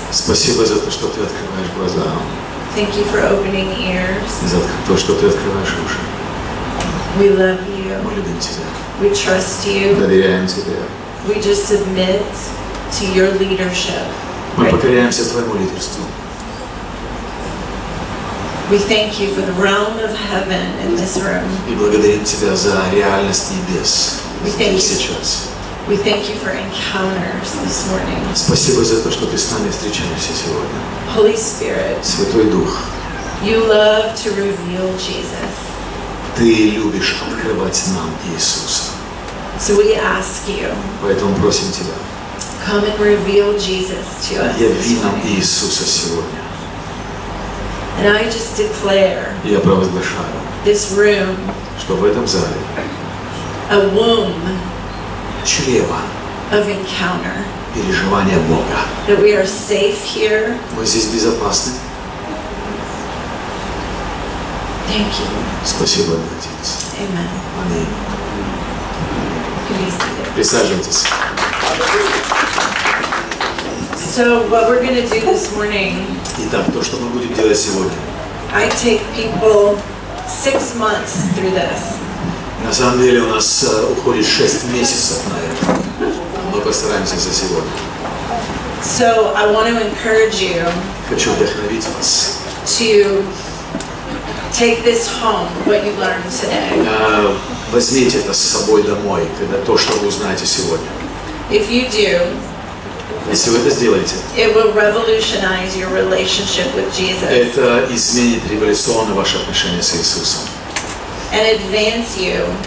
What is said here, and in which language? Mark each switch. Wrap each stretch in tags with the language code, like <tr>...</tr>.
<ru>Спасибо за то, что ты открываешь глаза.</ru> <en>Thank you for opening ears.</en> <ru>За то, что ты открываешь уши.</ru> <en>We love you.</en> <ru>Мы любим тебя.</ru> <en>We trust you.</en> <ru>Доверяем тебе.</ru> <en>We just submit to your leadership.</en> <ru>Мы покоряемся твоему лидерству.</ru> <en>We thank you for the realm of heaven in this room.</en> <ru>И благодарим тебя за реальность небес.</ru> <en>We thank you.</en> <ru>Сейчас.</ru> <en>We thank you for encounters this morning.</en> <ru>Спасибо за то, что ты с нами встречаешься сегодня.</ru> <en>Holy Spirit.</en> <ru>Святой Дух.</ru> <en>You love to reveal Jesus.</en> <ru>Ты любишь открывать нам Иисуса.</ru> <en>So we ask you.</en> <ru>Поэтому просим тебя.</ru> <en>Come and reveal Jesus to us.</en> <ru>Яви нам Иисуса сегодня.</ru> <en>And I just declare.</en> <ru>Я провозглашаю.</ru> <en>This room.</en> <ru>Что в этом зале?</ru> <en>A womb.</en> <ru>Чрева</ru> <en>of encounter,</en> <ru>переживания Бога.</ru> <en>That we are safe here.</en> <ru>Мы здесь безопасны.</ru> <en>Thank you.</en> <ru>Спасибо, Отец.</ru> <en>Amen.</en> <ru>Аминь. Присаживайтесь.</ru> <en>So what we're going to do this morning?</en> <ru>Итак, то, что мы будем делать сегодня.</ru> <en>I take people 6 months through this.</en> <ru>На самом деле у нас уходит 6 месяцев на это. Мы постараемся за сегодня.</ru> <en>So I want to encourage you.</en> <ru>Хочу вдохновить вас.</ru> <en>To take this home, what you learned today.</en> <ru>Возьмите это с собой домой, когда то, что вы узнаете сегодня.</ru> <en>If you do.</en> <ru>Если вы это сделаете.</ru> <en>It will revolutionize your relationship with Jesus.</en> <ru>Это изменит революционно ваше отношение с Иисусом.</ru> <en>And advance you.</en>